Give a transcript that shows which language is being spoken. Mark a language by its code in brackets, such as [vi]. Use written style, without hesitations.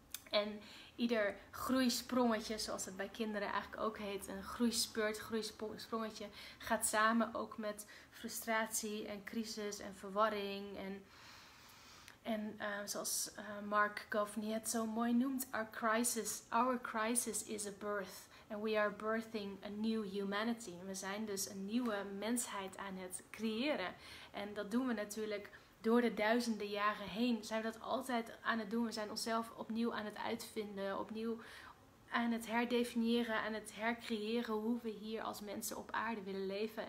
[nl] En ieder groeisprongetje, zoals het bij kinderen eigenlijk ook heet, een groeispurt, groeisprongetje, gaat samen ook met frustratie en crisis en verwarring en... En zoals Mark Govney het zo mooi noemt, [en] our crisis is a birth. And we are birthing a new humanity. [nl] We zijn dus een nieuwe mensheid aan het creëren. En dat doen we natuurlijk door de duizenden jaren heen. Zijn we dat altijd aan het doen? We zijn onszelf opnieuw aan het uitvinden, opnieuw aan het herdefiniëren, aan het hercreëren hoe we hier als mensen op aarde willen leven.